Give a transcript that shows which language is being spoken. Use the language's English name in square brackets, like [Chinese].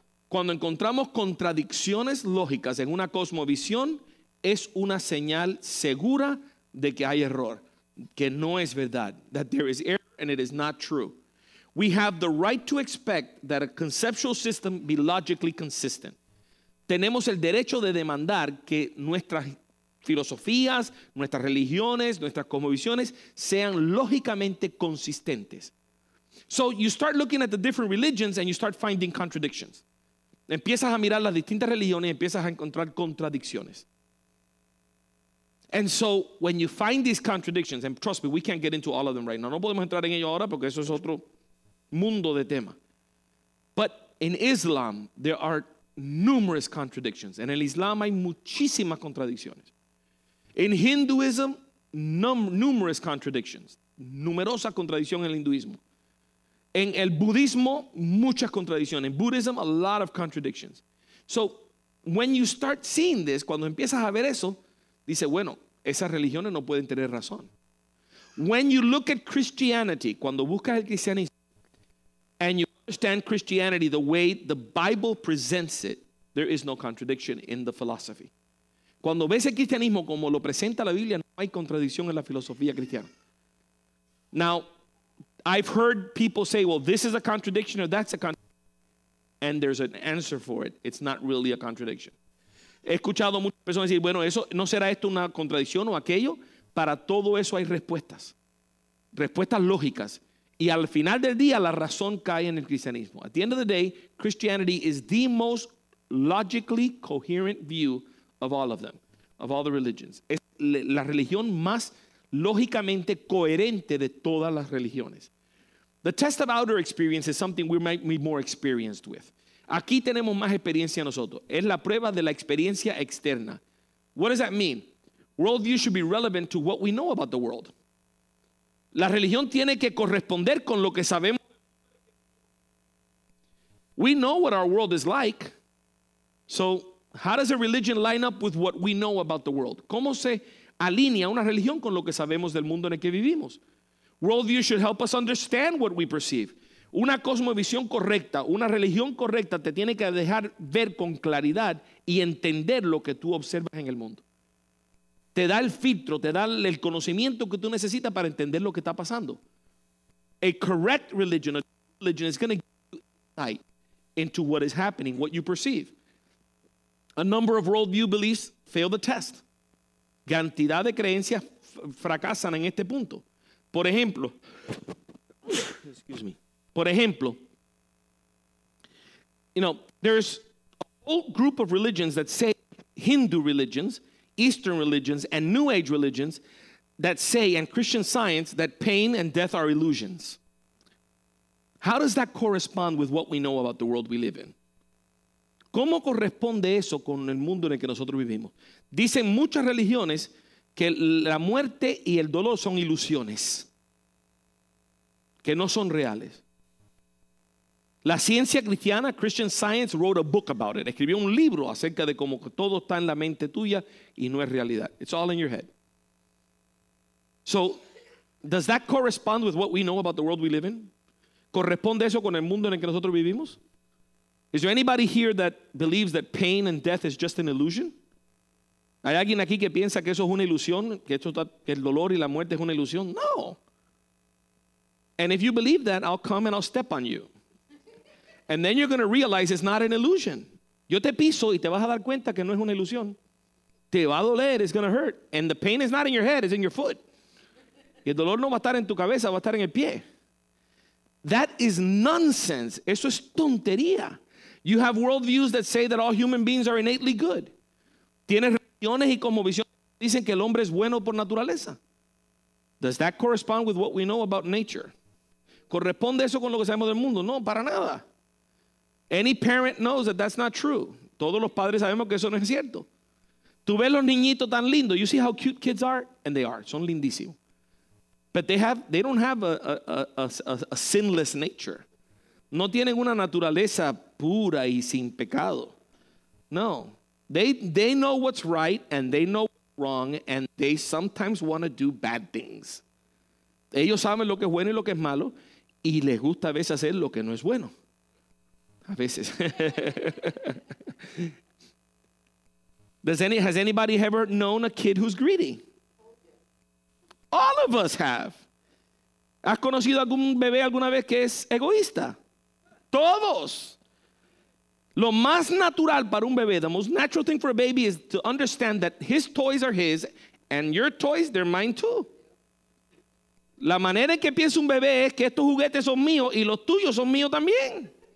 [Spanish] Cuando encontramos contradicciones lógicas en una cosmovisión, es una señal segura de que hay error, que no es verdad, [English] that there is error and it is not true. We have the right to expect that a conceptual system be logically consistent. [Spanish] Tenemos el derecho de demandar que nuestras filosofías, nuestras religiones, nuestras cosmovisiones sean lógicamente consistentes. [English] So you start looking at the different religions and you start finding contradictions. [Spanish] Empiezas a mirar las distintas religiones y empiezas a encontrar contradicciones. [English] And so when you find these contradictions, and trust me, we can't get into all of them right now. [Spanish] No podemos entrar en ello ahora porque eso es otro mundo de tema. [English] But in Islam, there are numerous contradictions. [Spanish] En el Islam hay muchísimas contradicciones. [English] In Hinduism, numerous contradictions. [Spanish] Numerosa contradicción en el hinduismo. En el budismo, muchas contradicciones. [English] In Buddhism, a lot of contradictions. So when you start seeing this, [Spanish] cuando empiezas a ver eso, dice, bueno, esas religiones no pueden tener razón. [English] When you look at Christianity, [Spanish] cuando buscas el cristianismo, [English] and you understand Christianity the way the Bible presents it, there is no contradiction in the philosophy. [Spanish] Cuando ves el cristianismo como lo presenta la Biblia, no hay contradicción en la filosofía cristiana. [English] Now, I've heard people say, well, this is a contradiction or that's a contradiction, and there's an answer for it. It's not really a contradiction. [Spanish] He escuchado muchas personas decir, bueno, eso no será esto una contradicción o aquello. Para todo eso hay respuestas, respuestas lógicas. Y al final del día, la razón cae en el cristianismo. [English] At the end of the day, Christianity is the most logically coherent view of all of them, of all the religions. [Spanish] Es la religión más lógicamente coherente de todas las religiones. [English] The test of outer experience is something we might be more experienced with. [Spanish] Aquí tenemos más experiencia nosotros. Es la prueba de la experiencia externa. [English] What does that mean? Worldview should be relevant to what we know about the world. [Spanish] La religión tiene que corresponder con lo que sabemos. [English] We know what our world is like. So, how does a religion line up with what we know about the world? [Spanish] ¿Cómo se alinea una religión con lo que sabemos del mundo en el que vivimos? [English] Worldview should help us understand what we perceive. [Spanish] Una cosmovisión correcta, una religión correcta, te tiene que dejar ver con claridad y entender lo que tú observas en el mundo. te da el filtro, te da el conocimiento que tú necesitas para entender lo que está pasando. [English] A correct religion, a true religion is going to give you insight into what is happening, what you perceive. A number of worldview beliefs fail the test. [Spanish] Cantidad de creencias fracasan en este punto. Por ejemplo, [English] excuse me. Por ejemplo, you know, there's a whole group of religions that say Hindu religions, Eastern religions, and New Age religions that say, and Christian Science, that pain and death are illusions. How does that correspond with what we know about the world we live in? [Spanish] ¿Cómo corresponde eso con el mundo en el que nosotros vivimos? Dicen muchas religiones que la muerte y el dolor son ilusiones, que no son reales. La ciencia cristiana, [English] Christian Science, wrote a book about it. [Spanish] Escribió un libro acerca de cómo todo está en la mente tuya y no es realidad. [English] It's all in your head. So, does that correspond with what we know about the world we live in? [Spanish] ¿Corresponde eso con el mundo en el que nosotros vivimos? [English] Is there anybody here that believes that pain and death is just an illusion? [Spanish] ¿Hay alguien aquí que piensa que eso es una ilusión? ¿Que esto está, que el dolor y la muerte es una ilusión? No. [English] And if you believe that, I'll come and I'll step on you. And then you're going to realize it's not an illusion. [Spanish] Yo te piso y te vas a dar cuenta que no es una ilusión. Te va a doler, [English] it's going to hurt. And the pain is not in your head, it's in your foot. [Spanish] Y el dolor no va a estar en tu cabeza, va a estar en el pie. [English] That is nonsense. [Spanish] Eso es tontería. [English] You have worldviews that say that all human beings are innately good. [Spanish] Tienes religiones y como visión dicen que el hombre es bueno por naturaleza. [English] Does that correspond with what we know about nature? [Spanish] ¿Corresponde eso con lo que sabemos del mundo? No, para nada. [English] Any parent knows that that's not true. [Spanish] Todos los padres sabemos que eso no es cierto. Tú ves los niñitos tan lindos. [English] You see how cute kids are? And they are. [Spanish] Son lindísimos. [English] But they don't have a sinless nature. [Spanish] No tienen una naturaleza pura y sin pecado. No. [English] They know what's right and they know what's wrong and they sometimes want to do bad things. [Spanish] Ellos saben lo que es bueno y lo que es malo y les gusta a veces hacer lo que no es bueno. A veces. [English] Has anybody ever known a kid who's greedy? All of us have. [Spanish] ¿Has conocido algún bebé alguna vez que es egoísta? Todos. Lo más natural para un bebé, [English] the most natural thing for a baby is to understand that his toys are his and your toys, they're mine too. [Spanish] La manera en que piensa un bebé es que estos juguetes son míos y los tuyos son míos también.